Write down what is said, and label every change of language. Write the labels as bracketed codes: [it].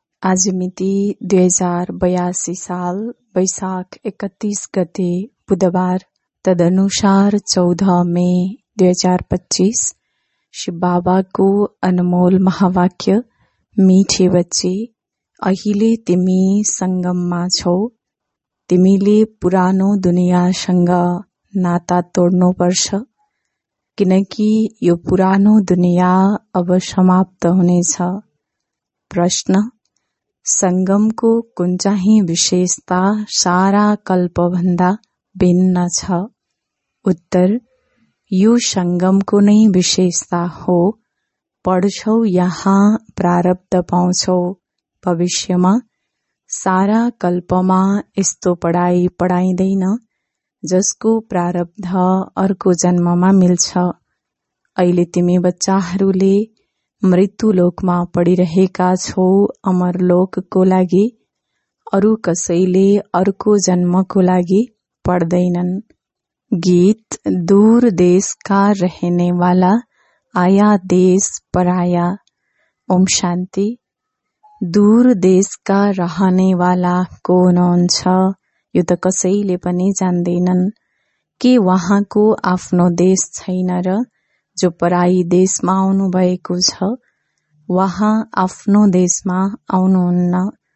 [ne] आज मिति 2082 साल बैसाख 31 गते बुधवार, तदनुसार 14 मई 2025। शिव बाबा को अनमोल महावाक्य मीठे बच्चे अहिले तिमी संगम मा छौ, तिमीले पुरानो दुनिया संग नाता तोड्नु पर्छ, किनकि यो पुरानो दुनिया अब समाप्त हुनेछ। प्रश्न: संगम को कुन चाहिँ विशेषता सारा कल्पभन्दा भिन्न छ? उत्तर: यो संगम को नै विशेषता हो। पढ्छौ यहाँ प्रारब्ध पाउँछौ भविष्यमा, सारा कल्पमा यस्तो पढाइ पढाइँदैन जसको प्रारब्ध अर्को जन्ममा मिल्छ। अहिले तिमी बच्चाहरूले मृत्यु लोकमा पढिरहेका छौ अमर लोकको लागि, अरू कसैले अर्को जन्मको लागि पढ्दैनन्। [hi] गीत: दूर देशका रहने वाला आया देश पराया। [ne] ओम शांति। दूर देशका रहने वाला को हुनुहुन्छ यो त कसैले पनि जान्दैनन्। के वहाँको आफ्नो देश छैन र जो पराई देशमा आउनु भएको छ, वहाँ आफ्नो देशमा आउनुहुन्न।